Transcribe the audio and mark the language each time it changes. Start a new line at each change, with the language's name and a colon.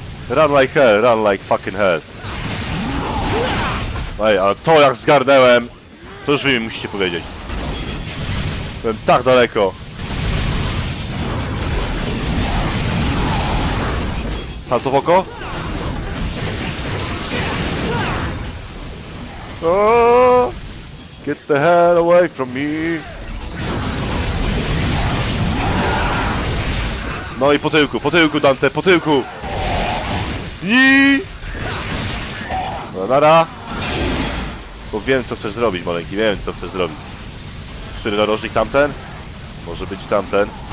English: Run like hell, run like fucking hell.
Polish: Ej, ale to jak zgarnęłem, to już wy mi musicie powiedzieć. Byłem tak daleko. Salto w oko.
English: Get the hell away from me.
Polish: No i po tyłku Dante, po tyłku. Dobra, nara. Bo wiem, co chcesz zrobić, maleńki, wiem, co chcesz zrobić. Który narożnik tamten? Może być tamten.